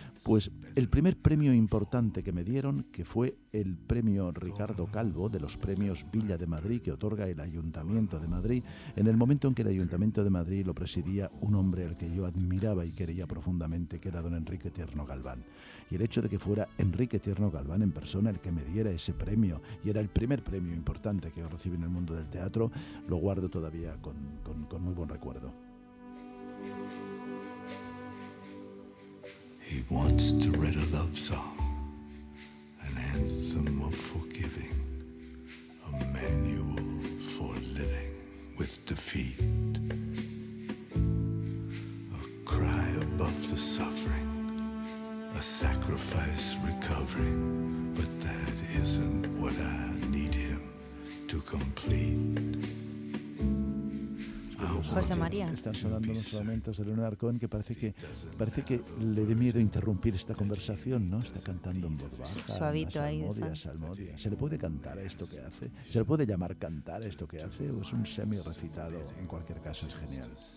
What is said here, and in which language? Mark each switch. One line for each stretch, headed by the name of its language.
Spanish: Pues el primer premio importante que me dieron, que fue el premio Ricardo Calvo de los premios Villa de Madrid, que otorga el Ayuntamiento de Madrid, en el momento en que el Ayuntamiento de Madrid lo presidía un hombre al que yo admiraba y quería profundamente, que era don Enrique Tierno Galván. Y el hecho de que fuera Enrique Tierno Galván en persona el que me diera ese premio, y era el primer premio importante que yo recibí en el mundo del teatro, lo guardo todavía con muy buen recuerdo.
English: He once to write a love song, an anthem of forgiving, a manual for living with defeat, a cry above the suffering, a sacrifice recovering, but that isn't what I need him to complete.
Spanish: José María. Están sonando unos lamentos de Leonard Cohen que parece que le dé miedo interrumpir esta conversación, ¿no? Está cantando en voz baja. Suavito ahí. Salmodia. ¿Se le puede cantar a esto que hace? ¿Se le puede llamar cantar a esto que hace? ¿O es un semi recitado? En cualquier caso, es genial.